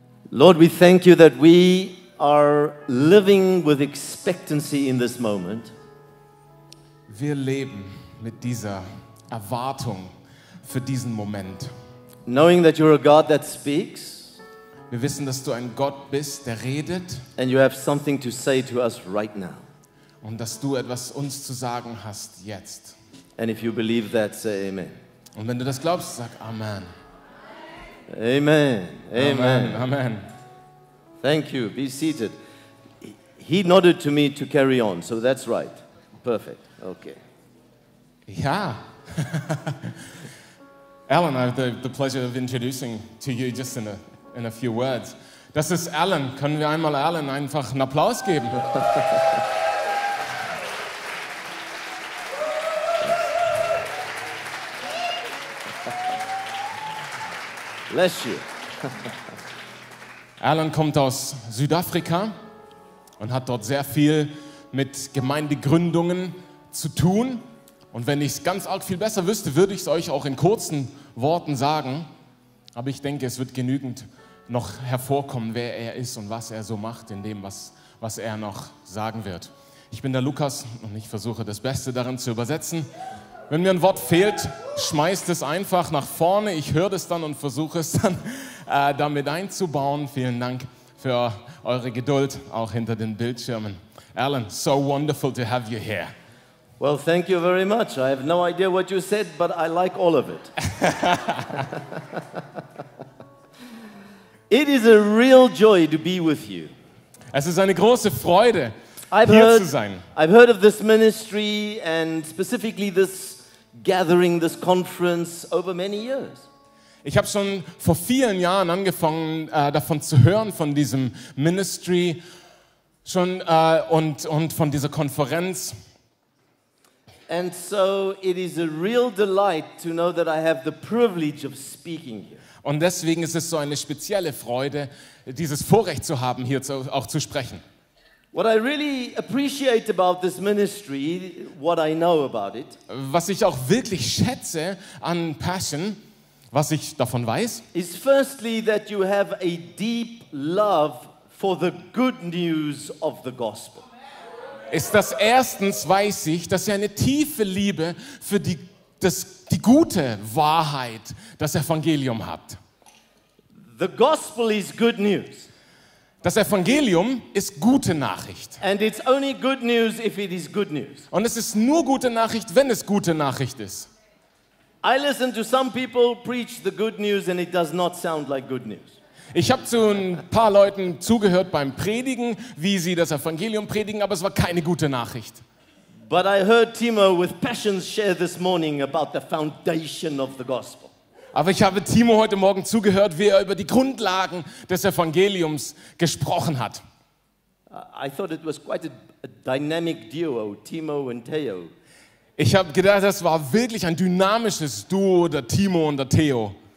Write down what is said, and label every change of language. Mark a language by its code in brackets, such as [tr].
[en] Lord, we thank you that we are living with expectancy in this moment. [de] Wir leben mit dieser Erwartung für diesen Moment. [en] Knowing that you're a God that speaks. [de] Wir wissen, dass du ein Gott bist, der redet. [en] And you have something to say to us right now. [de] Und dass du etwas uns zu sagen hast jetzt. [en] And if you believe that, say amen. [de] Und wenn du das glaubst, sag Amen. [en] Amen. Amen. [de] Amen. Amen. [en] Thank you. Be seated. He nodded to me to carry on, so that's right. Perfect. Okay. [de] Ja. [en] Alan, I have the pleasure of introducing to you just in a few words. [de] Das ist Alan. Können wir einmal Alan einfach einen Applaus geben? Bless you. Alan kommt aus Südafrika und hat dort sehr viel mit Gemeindegründungen zu tun. Und wenn ich es ganz arg viel besser wüsste, würde ich es euch auch in kurzen Worten sagen. Aber ich denke, es wird genügend noch hervorkommen, wer er ist und was er so macht in dem, was er noch sagen wird. Ich bin der Lukas und ich versuche das Beste darin zu übersetzen. Wenn mir ein Wort fehlt, schmeißt es einfach nach vorne. Ich höre es dann und versuche es dann damit einzubauen. Vielen Dank für eure Geduld, auch hinter den Bildschirmen. [en] Alan, so wonderful to have you here. Well, thank you very much. I have no idea what you said, but I like all of it. It is a real joy to be with you. [de] Es ist eine große Freude, zu sein. [en] I've heard of this ministry and specifically this gathering, this conference over many years. [de] Ich habe schon vor vielen Jahren angefangen, davon zu hören, von diesem Ministry schon und von dieser Konferenz. [en] And so it is a real delight to know that I have the privilege of speaking here. [de] Und deswegen ist es so eine spezielle Freude, dieses Vorrecht zu haben, hier auch zu sprechen. [en] What I really appreciate about this ministry, what I know about it, [de] was ich auch wirklich schätze an Passion, was ich davon weiß, [en] is firstly that you have a deep love for the good news of the gospel. [de] Ist das erstens weiß ich, dass ihr eine tiefe Liebe für die gute Wahrheit, das Evangelium habt. [en] The gospel is good news. [de] Das Evangelium ist gute Nachricht. [en] And it's only good news if it is good news. [de] Und es ist nur gute Nachricht, wenn es gute Nachricht ist. [en] I listen to some people preach the good news and it does not sound like good news. [de] Ich habe zu ein paar Leuten zugehört beim Predigen, wie sie das Evangelium predigen, aber es war keine gute Nachricht. [en] But I heard Timo with passion share this morning about the foundation of the gospel. [de] Aber ich habe Timo heute Morgen zugehört, wie er über die Grundlagen des Evangeliums gesprochen hat. [en] I thought it was quite a dynamic duo, Timo and Theo. [de] Ich habe gedacht, das war wirklich ein dynamisches Duo, der Timo und der Theo.